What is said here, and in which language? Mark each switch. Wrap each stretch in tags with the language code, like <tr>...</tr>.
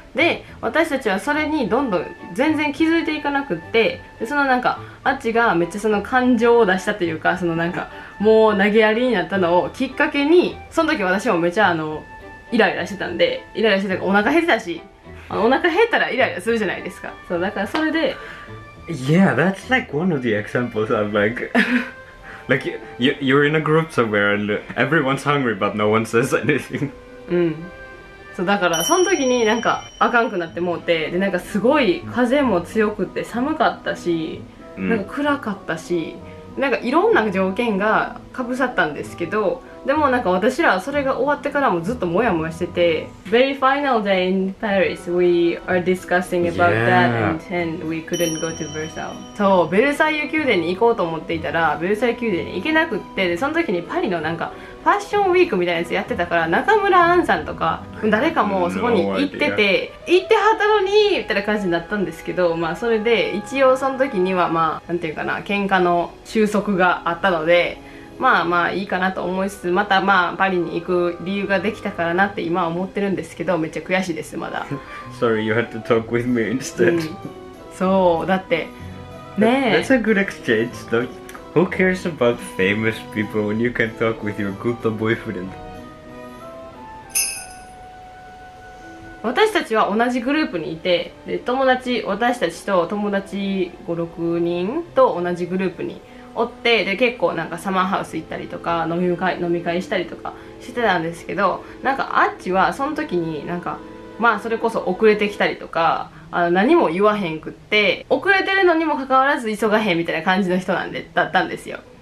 <ja>で、私たちはそれにどんどん全然気づいていかなくって、でそのなんかあっちがめっちゃその感情を出したというか、そのなんかもう投げやりになったのをきっかけに、その時私もめちゃイライラしてたんで、イライラしてたからお腹減ってたし、お腹減ったらイライラするじゃないですか。そうだからそれで、</ja> <en>Yeah, that's like one of the examples of like like you're in a group somewhere and everyone's hungry but no one says anything.</en> <ja>そうだからその時になんかあかんくなってもうて、でなんかすごい風も強くて寒かったし、なんか暗かったし、なんかいろんな条件がかぶさったんですけど、でもなんか私らはそれが終わってからもずっとモヤモヤしてて、</ja> <en>Very final day in Paris we are discussing about that and we couldn't go to Versailles.</en> <ja>そう、ベルサイユ宮殿に行こうと思っていたらベルサイユ宮殿に行けなくって、でその時にパリのなんかファッションウィークみたいなやつやってたから、中村アンさんとか誰かもそこに行ってて、行ってはったのにみたいな感じになったんですけど、まあそれで一応その時にはまあなんていうかな、喧嘩の収束があったので、まあまあいいかなと思いつつ、またまあパリに行く理由ができたからなって今は思ってるんですけど、めっちゃ悔しいですまだ。</ja> <en>Sorry you had to talk with me instead、うん、</en> <ja>そうだってね、</ja> <en>That's a good exchange though. Who cares about famous people when you can talk with your good boyfriend?</en> <ja>私たちは同じグループにいて、で友達、私たちと友達5、6人と同じグループにおって、で結構なんかサマーハウス行ったりとか飲み会したりとかしてたんですけど、なんかあっちはその時になんかまあそれこそ遅れてきたりとか、あの何も言わへんくって、遅れてるのにもかかわらず急がへんみたいな感じの人なんでだったんですよ。</ja>